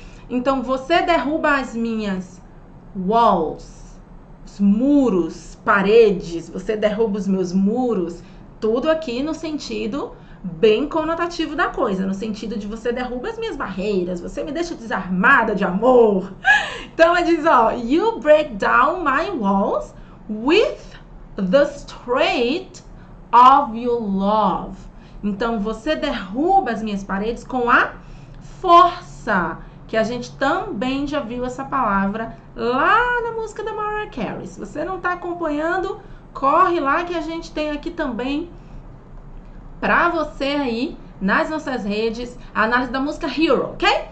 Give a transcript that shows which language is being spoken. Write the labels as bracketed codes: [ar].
[pt] Então você derruba as minhas walls, os muros, paredes, você derruba os meus muros. Tudo aqui no sentido bem conotativo da coisa, no sentido de você derruba as minhas barreiras, você me deixa desarmada de amor. Então ela diz, ó, [en] you break down my walls with the strength of your love. [pt] Então você derruba as minhas paredes com a força, que a gente também já viu essa palavra lá na música da Mariah Carey. Se você não está acompanhando, corre lá que a gente tem aqui também pra você aí nas nossas redes a análise da música Hero, ok?